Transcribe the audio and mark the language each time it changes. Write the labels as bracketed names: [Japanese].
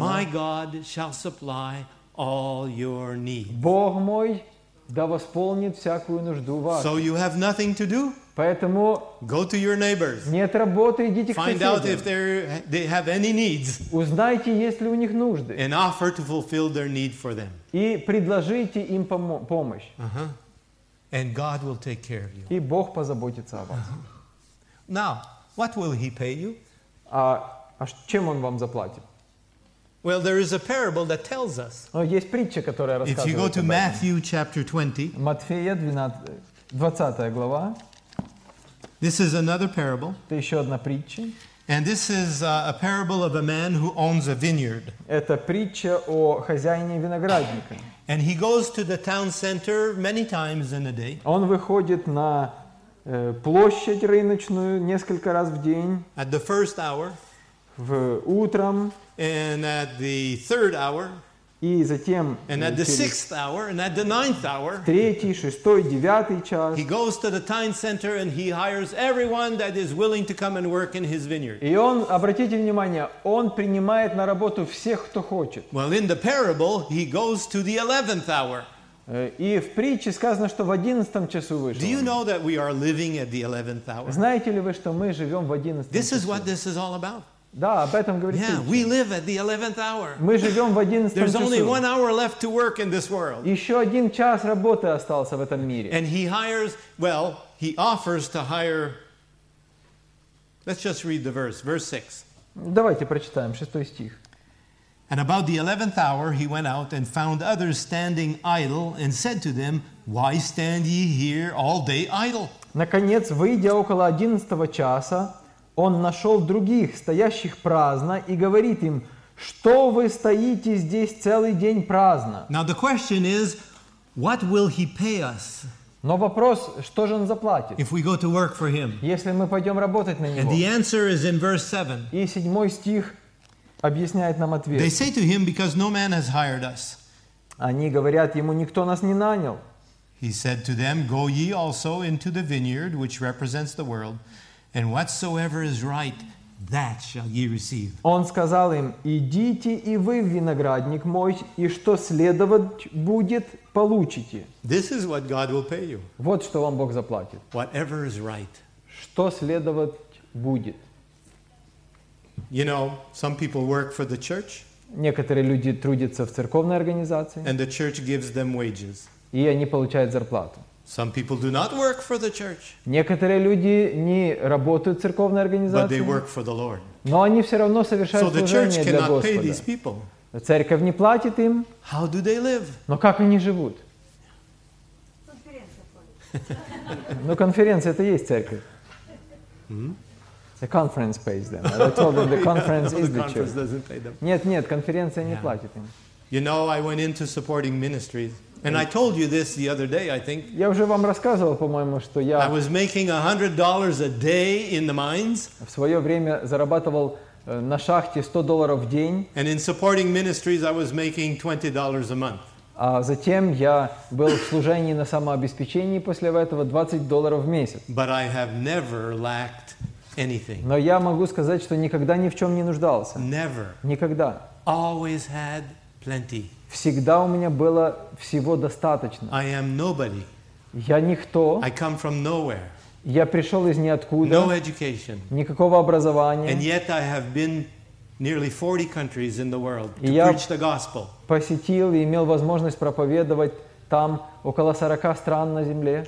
[English] my God shall supply all your needs. [Russian] Бог мой да восполнит всякую нужду вашу. [English] So you have nothing to do? [Russian] Поэтому [English] go to your neighbors. [Russian] Нет работы, идите к соседям. [English] Find out if they have any needs. [Russian] Узнайте, есть ли у них нужды. [English] And offer to fulfill their need for them. [Russian] И предложите им помощь. [English] And God will take care of you. [Russian] И Бог позаботится о вас. [English] Now, what will He pay you? [Russian] А чем Он вам заплатит? [English] Well, there is a parable that tells us. [Russian] Есть притча, которая рассказывает. [English] If you go to Matthew chapter 20. [Russian] Матфея 20 глава. [English] This is another parable. [Russian] Это еще одна притча. [English] And this is a parable of a man who owns a vineyard. [Russian] Это притча о хозяине виноградника. [English] And he goes to the town center many times in a day. [Russian] Он выходит на площадь рыночную несколько раз в день. [English] At the first hour. [Russian] В утром. [English] And at the third hour. [Russian] И затем. [English] And at the sixth hour. And at the ninth hour. [Russian] В третий, шестой, девятый час. [English] He goes to the town center and he hires everyone that is willing to come and work in his vineyard. [Russian] И он, обратите внимание, он принимает на работу всех, кто хочет. [English] Well, in the parable, he goes to the 11th hour. [Russian] И в притче сказано, что в 11 часу вышел. [English] Do you know that we are living at the 11th hour? [Russian] Знаете ли вы, что мы живем в 11 [English] This is what this is all about. [Russian] Да, об этом говорит [English] Yeah, [Russian] притча. [English] We live at the 11th hour. [Russian] Мы живем в 11 [English] There's [Russian] часу. [English] Only 1 hour left to work in this world. [Russian] Еще один час работы остался в этом мире. [English] And he hires, well, he offers to hire. Let's just read the verse, verse 6. [Russian] Давайте прочитаем шестой стих. [English] And about the 11th hour, he went out and found others standing idle, and said to them, "Why stand ye here all day idle?" [Russian] Наконец, выйдя около 11 часа, он нашел других стоящих праздно и говорит им, "Что вы стоите здесь целый день праздно?" [English] Now the question is, what will he pay us? [Russian] Но вопрос, что же он заплатит? [English] If we go to work for him. [Russian] Если мы пойдем работать на него. [English] And the answer is in verse 7. [Russian] И седьмой стих. Объясняет нам ответ. [English] They say to him, because no man has hired us. [Russian] Они говорят ему, никто нас не нанял. [English] He said to them, go ye also into the vineyard, which represents the world, and whatsoever is right, that shall ye receive. [Russian] Он сказал им, идите и вы в виноградник мой, и что следовать будет, получите. [English] This is what God will pay you. [Russian] Вот что вам Бог заплатит. [English] Whatever is right. [Russian] Что следовать будет. [English] You know, some people work for the church. [Russian] Некоторые люди трудятся в церковной организации. [English] And the church gives them wages. [Russian] И они получают зарплату. [English] Some people do not work for the church. [Russian] Некоторые люди не работают в церковной организации. [English] But they work for the Lord. [Russian] Но они все равно совершают служение для Господа. [English] So the church cannot pay these people. [Russian] Церковь не платит им. [English] How do they live? [Russian] Но как они живут? Конференция. Ну, конференция это есть церковь. [English] The conference pays them. I told them the conference yeah, no, the is conference the church. Doesn't pay them. [Russian] Нет, нет, конференция yeah. не платит им. [English] You know, I went into supporting ministries, and I told you this the other day, I think. [Russian] Я уже вам рассказывал, по-моему, что я. [English] I was making $100 a day in the mines. [Russian] В свое время зарабатывал на шахте $100 в день. [English] And in supporting ministries, I was making $20 a month. [Russian] А затем я был в служении на самообеспечении после этого $20 в месяц. [English] But I have never lacked. [Russian] Но я могу сказать, что никогда ни в чем не нуждался. [English] Never. [Russian] Никогда. [English] Always had plenty. [Russian] Всегда у меня было всего достаточно. [English] I am nobody. [Russian] Я никто. [English] I come from nowhere. [Russian] Я пришел из ниоткуда. [English] No education. [Russian] Никакого образования. [English] And yet I have been nearly 40 countries in the world to preach the gospel. [Russian] Я посетил и имел возможность проповедовать там около 40 стран на земле.